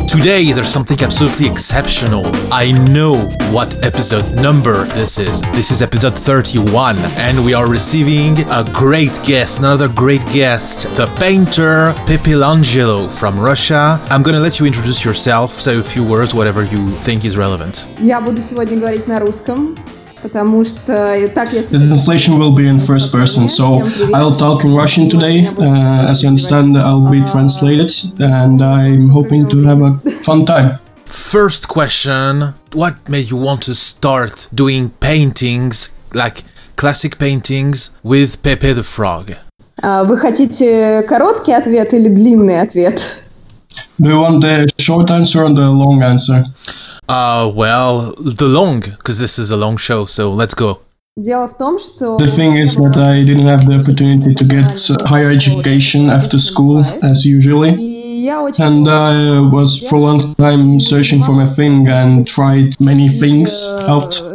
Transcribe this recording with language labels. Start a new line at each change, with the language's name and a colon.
English: Today, there's something absolutely exceptional. I know what episode number this is. This is episode 31, and we are receiving a great guest, another great guest, the painter Pepe Langelo from Russia. I'm gonna let you introduce yourself, say a few words, whatever you think is relevant.
Russian: Я буду сегодня говорить на русском. Потому что так я
English: The translation will be in first person, so I'll talk in Russian today. As you understand, I'll be translated, and I'm hoping to have a fun time. First question: what made you want to start doing paintings, like classic paintings, with Pepe the Frog?
Russian: Вы хотите короткий ответ или длинный ответ?
English: Do you want the short answer or the long answer? Well, the long, because this is a long show, so let's go. The thing is that I didn't have the opportunity to get higher education after school, as usually. And I was for a long time searching for my thing and tried many things out.